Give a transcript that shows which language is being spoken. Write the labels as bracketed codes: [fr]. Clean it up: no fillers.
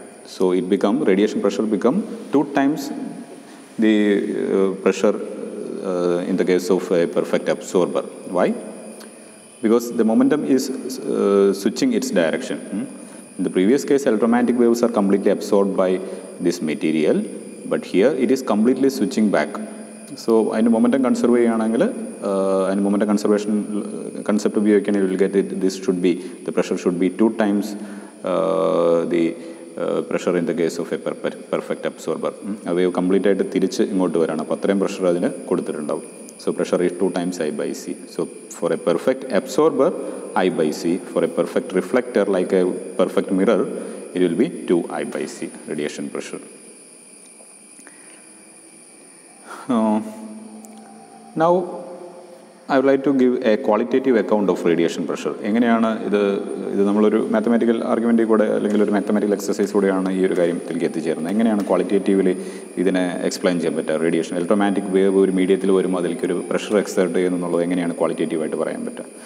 [en] So it become radiation pressure become two times the pressure in the case of a perfect absorber. Why? Because the momentum is switching its direction. In the previous case, electromagnetic waves are completely absorbed by this material, but here it is completely switching back. So [ml] അതിൻ്റെ momentum കൺസെർവ് ചെയ്യുകയാണെങ്കിൽ അതിൻ്റെ momentum conservation concept ഉപയോഗിക്കുകയാണെങ്കിൽ [en] Will get this should be the pressure should be two times the pressure in the case of a perfect absorber. [ml] അവ complete ആയിട്ട് തിരിച്ച് ഇങ്ങോട്ട് വരാണ്. അപ്പോൾ അത്രയും പ്രഷർ അതിന് കൊടുത്തിട്ടുണ്ടാവും. [en] So pressure is two times I by C. So for a perfect absorber I by C. For a perfect reflector like a perfect mirror it will be two I by C radiation pressure. Now, I would like to give a qualitative account of radiation pressure. [ml] എങ്ങനെയാണ് ഇത് നമ്മളൊരു mathematical ആർഗ്യുമെൻ്റിൽ കൂടെ അല്ലെങ്കിൽ ഒരു mathematical exercise കൂടെയാണ് ഈ ഒരു കാര്യം എത്തിച്ചേരുന്നത്. എങ്ങനെയാണ് ക്വാളിറ്റേറ്റീവ്ലി ഇതിനെ എക്സ്പ്ലെയിൻ ചെയ്യാൻ പറ്റുക? റേഡിയേഷൻ ഇലക്ട്രോമാഗ്നറ്റിക് വേവ് ഒരു മീഡിയത്തിൽ വരുമ്പോൾ അതിലേക്ക് ഒരു പ്രഷർ എക്സേർട്ട് ചെയ്യുന്നുള്ളത് എങ്ങനെയാണ് ക്വാളിറ്റേറ്റീവായിട്ട് പറയാൻ പറ്റുക?